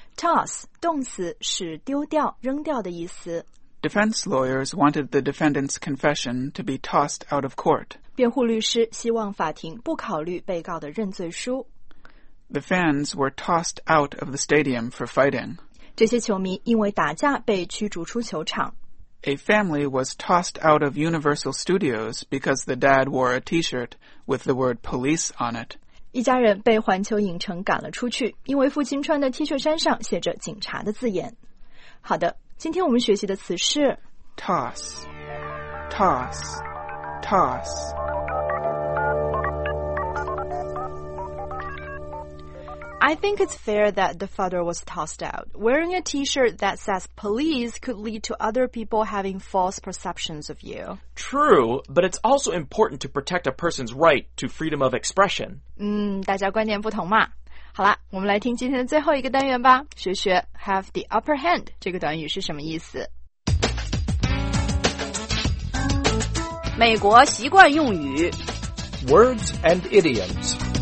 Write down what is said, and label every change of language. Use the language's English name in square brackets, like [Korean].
[Chinese] Toss, 动词是丢掉、扔掉的意思。 [English] Defense lawyers wanted the defendant's confession to be tossed out of court. [Chinese] 辩护律师希望法庭不考虑被告的认罪书。 [English] The fans were tossed out of the stadium for fighting. [Chinese] 这些球迷因为打架被驱逐出球场。 [English] A family was tossed out of Universal Studios because the dad wore a T-shirt with the word police on it. [Chinese] 一家人被环球影城赶了出去，因为父亲穿的 T 恤衫上写着警察的字眼。好的，今天我们学习的词是 [English] toss, toss, toss. I think it's fair that the father was tossed out. Wearing a T-shirt that says police could lead to other people having false perceptions of you. True, but it's also important to protect a person's right to freedom of expression. [Chinese] 大家观念不同嘛。好了，我们来听今天的最后一个单元吧。学学 [English] have the upper hand [Chinese] 这个短语是什么意思？美国习惯用语 [English] Words and idioms.